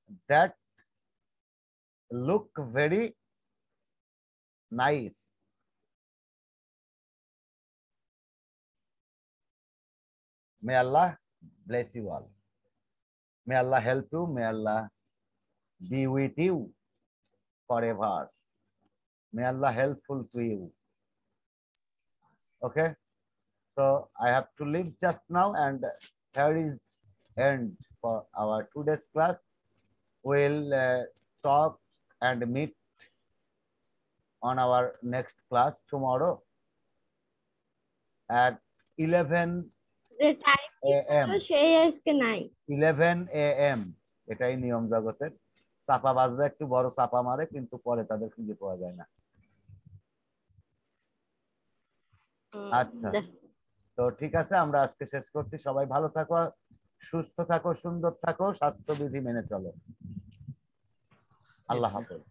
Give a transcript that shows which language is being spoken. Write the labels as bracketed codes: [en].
[en] That look very nice, may Allah bless you all, may Allah help you, may Allah be with you for ever, may Allah helpful to you. Okay So I have to leave just now, and here is end for our today's class. We'll talk and meet on our next class tomorrow at 11 a.m. 11 a.m. [bn] এটাই নিয়ম জগতের চাপা বাজলে একটু বড় চাপা মারে কিন্তু পরে তাদের খুঁজে পাওয়া যায় না আচ্ছা তো ঠিক আছে আমরা আজকে শেষ করছি সবাই ভালো থাকো সুস্থ থাকো সুন্দর থাকো স্বাস্থ্যবিধি মেনে চলো আল্লাহ হাফেজ